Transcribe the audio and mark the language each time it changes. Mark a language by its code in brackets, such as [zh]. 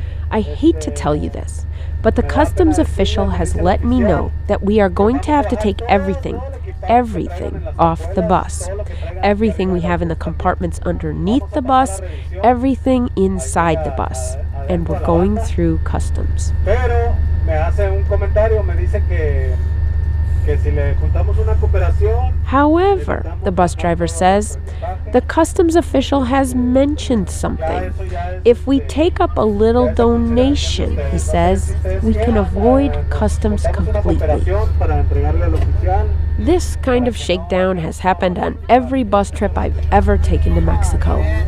[en] I hate to tell you this, but the customs official has let me know that we are going to have to take everything off the bus. Everything we have in the compartments underneath the bus, everything inside the bus. And we're going through customs. [es] Pero me hace un comentario, me dice que si le juntamos una cooperación. [en] However, the bus driver says, the customs official has mentioned something. If we take up a little donation, he says, we can avoid customs completely. This kind of shakedown has happened on every bus trip I've ever taken to Mexico.